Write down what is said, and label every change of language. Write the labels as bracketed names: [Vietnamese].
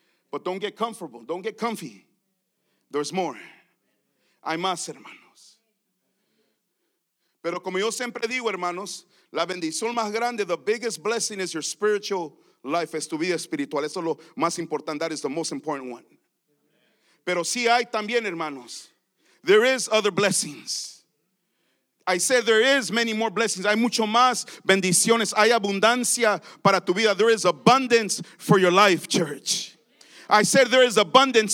[English] But don't get comfortable, don't get comfy. There's more. [Spanish] Hay más, hermanos. Pero como yo siempre digo, hermanos, la bendición más grande, [English] the biggest blessing is your spiritual life, [Spanish] es tu vida espiritual. Eso es lo más importante, [English] that is the most important one. [Spanish] Pero sí hay también, hermanos, [English] there is other blessings. I said there is many more blessings. [Spanish] Hay mucho más bendiciones. Hay abundancia para tu vida. [English] There is abundance for your life, church. I said there is abundance.